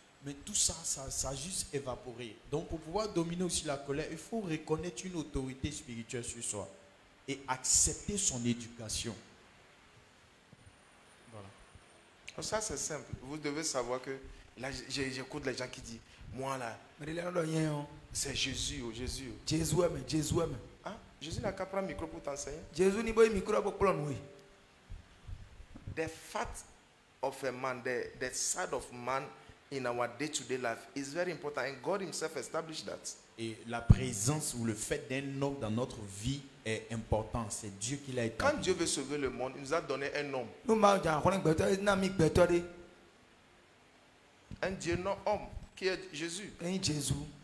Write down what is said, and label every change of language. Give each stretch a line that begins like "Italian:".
French: Mais tout ça, ça a juste évaporé. Donc pour pouvoir dominer aussi la colère, il faut reconnaître une autorité spirituelle sur soi et accepter son éducation. Voilà. Donc ça, c'est simple. Vous devez savoir que là, j'écoute les gens qui disent, moi là, c'est Jésus, oh Jésus. Jésus aime, Jésus aime. Ah, Jésus n'a qu'à prendre le micro pour t'enseigner. Jésus n'a pas le micro pour t'enseigner.
English: The fact of a man, the side of man in our day-to-day life is very important. And God himself established that.
French: Et la présence ou le fait d'un homme dans notre vie est important. C'est Dieu qui l'a établi. Quand Dieu veut sauver le monde, il nous a donné un homme. Un Dieu non homme. Qui est Jésus? Hein, Jésus.